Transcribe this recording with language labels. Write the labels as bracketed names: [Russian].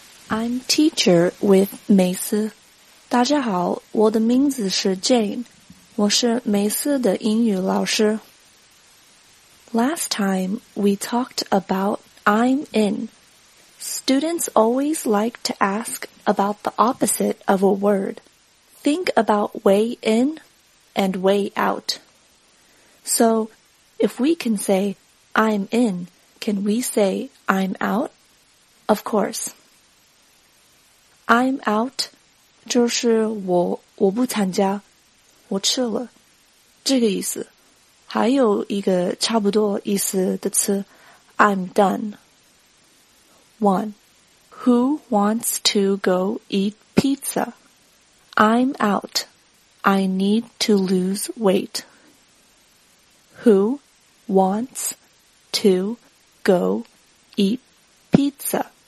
[English] I'm teacher with 美思。 [Chinese] 大家好，我的名字是 Jane， 我是美思的英语老师。 [English] Last time, we talked about I'm in. Students always like to ask about the opposite of a word. Think about way in and way out. So, if we can say I'm in, can we say I'm out? Of course. I'm out [Chinese] 就是我不参加，我撤了，这个意思。还有一个差不多意思的词 [English] I'm done. 1. Who wants to go eat pizza? I'm out. I need to lose weight. Who wants to go eat pizza?